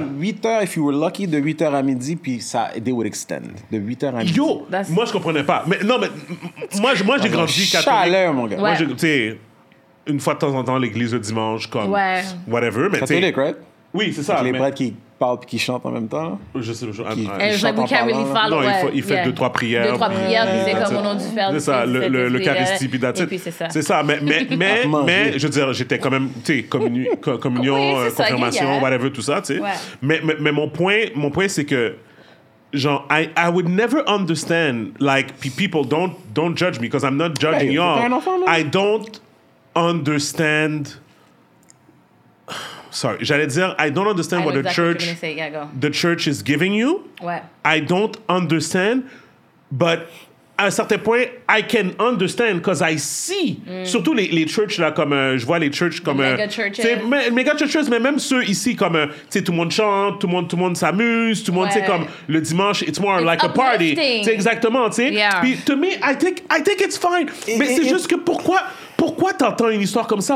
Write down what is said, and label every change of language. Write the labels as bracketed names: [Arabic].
[English] 8h, if you were lucky, [French] de 8h à midi, puis ça, [English] they would extend. [French] De 8h à midi. Yo, moi je comprenais pas. Mais non, mais moi j'ai grandi catholique. Chaleur, mon gars. Moi, tu sais, une fois de temps en temps, l'église le dimanche, comme. Whatever, mais tu sais. Catholique, right? Oui, c'est ça. Les prêtres qui parle puis qui chante en même temps. Je sais, je sais. Non, il fait deux, trois prières. Deux, trois prières, puis c'est comme au nom du Père. C'est ça, l'Eucharistie, puis c'est ça. C'est ça, mais je veux dire, j'étais quand même, tu sais, communion, confirmation, whatever, tout ça, tu sais. Mais mon point, c'est que, genre, [English] I would never understand, like, people, don't judge me, because I'm not judging y'all. I don't understand... Sorry, [French] j'allais dire, [English] I don't understand what the church is giving you. [French] Ouais. [English] I don't understand, but [French] à un certain point, [English] I can understand because I see. [French] Surtout les churches là, comme je vois les churches comme. [English] Mega churches, [French] mais même ceux ici, comme tu sais, tout le monde chante, tout le monde s'amuse, tout le monde, tu sais, comme le dimanche, [English] it's more like a party. [French] C'est exactement, tu sais. [English] Yeah. Puis to me, I think it's fine. [French] Juste que pourquoi t'entends une histoire comme ça?